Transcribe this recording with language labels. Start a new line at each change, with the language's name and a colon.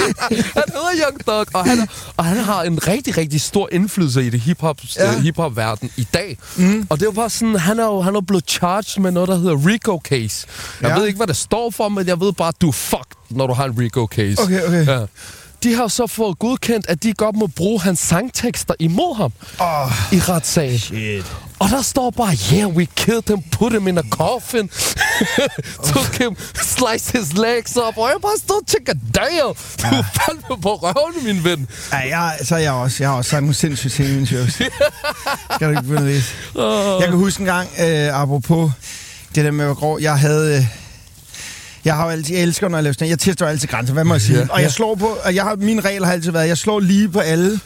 Danish: Han hedder Young Thug, og han har en rigtig, rigtig stor indflydelse i det hip-hop-verden i dag. Mm. Og det er jo bare sådan, han er blevet charged med noget, der hedder Rico Case. Jeg ved ikke, hvad det står for, men jeg ved bare, at du er fucked, når du har en Rico Case. Okay. Ja. De har så fået godkendt, at de godt må bruge hans sangtekster imod ham i retssagen. Shit. Og der står bare,
English: yeah, we killed him, put him in a coffin, took him, sliced his legs up.
Danish: Og jeg bare stod og tænker, damn, du fandt mig på røven, min ven. Ja, jeg har også sagt nogle sindssyge ting i min show. Skal du ikke begynde at vise? Jeg kan huske en gang, apropos det der med, hvor grå, jeg havde... Jeg har altid elsker, når jeg laver sådan. Jeg tester altid grænser, hvad må jeg sige? Yeah. Og jeg slår på, og min regel har altid været, at jeg slår lige på alle.